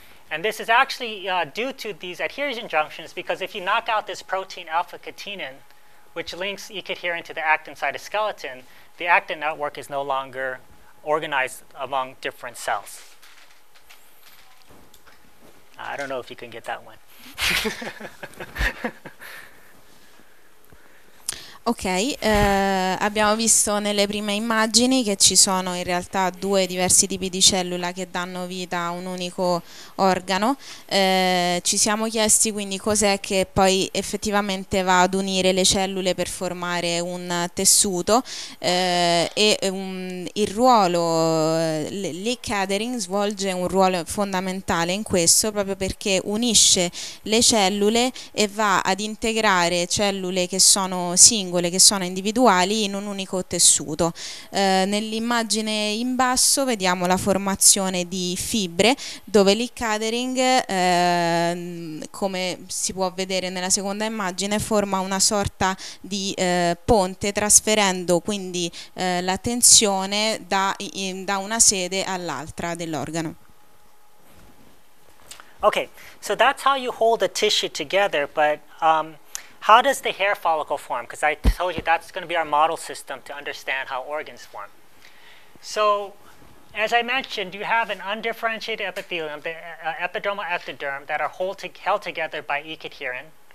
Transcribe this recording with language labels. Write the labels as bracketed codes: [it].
[en] And this is actually due to these adhesion junctions, because if you knock out this protein alpha-catenin, which links E-cadherin to the actin cytoskeleton, the actin network is no longer organized among different cells. I don't know if you can get that one. [it] Ok, abbiamo visto nelle prime immagini che ci sono in realtà due diversi tipi di cellula che danno vita a un unico organo. Ci siamo chiesti quindi cos'è che poi effettivamente va ad unire le cellule per formare un tessuto e il ruolo, l'e-cadering svolge un ruolo fondamentale in questo, proprio perché unisce le cellule e va ad integrare cellule che sono singole, che sono individuali in un unico tessuto. Nell'immagine in basso vediamo la formazione di fibre, dove l'e-cadering, come si può vedere nella seconda immagine, forma una sorta di ponte, trasferendo quindi la tensione da una sede all'altra dell'organo. [en] Ok, so that's how you hold the tissue together, but how does the hair follicle form? Because I told you that's going to be our model system to understand how organs form. So, as I mentioned, you have an undifferentiated epithelium, the epidermal ectoderm, that are held together by e-cadherin.